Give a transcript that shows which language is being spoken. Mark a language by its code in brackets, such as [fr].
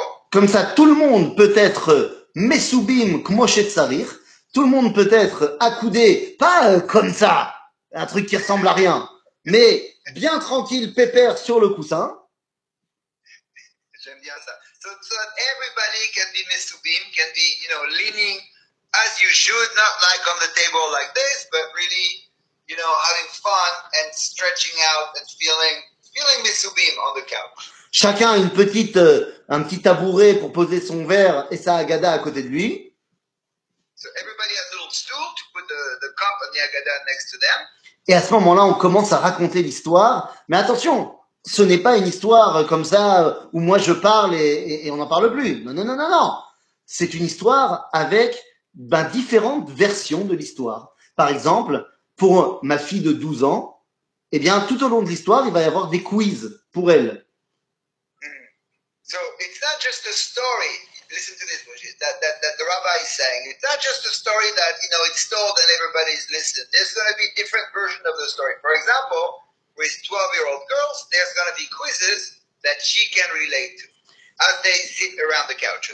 [fr] Comme ça, tout le monde peut être mesubim kmochet sarir. Tout le monde peut être accoudé, pas comme ça, un truc qui ressemble à rien, mais bien tranquille, pépère sur le coussin. J'aime bien ça. [en] So everybody can be mesubim, can be, leaning as you should, not like on the table like this, but really, having fun and stretching out and feeling mesubim on the couch. [fr] Chacun a un petit tabouret pour poser son verre et sa agada à côté de lui. [en] So everybody has a little stool to put the cup and the agada next to them. [fr] Et à ce moment-là, on commence à raconter l'histoire. Mais attention, ce n'est pas une histoire comme ça où moi je parle et on n'en parle plus. Non. C'est une histoire avec différentes versions de l'histoire. Par exemple, pour ma fille de 12 ans, eh bien, tout au long de l'histoire, il va y avoir des quiz pour elle. [en] So it's not just a story. Listen to this, Moshe. That the rabbi is saying it's not just a story that you know it's told and everybody's listening. There's going to be different versions of the story. For example, with 12-year-old girls, there's going to be quizzes that she can relate to as they sit around the couch.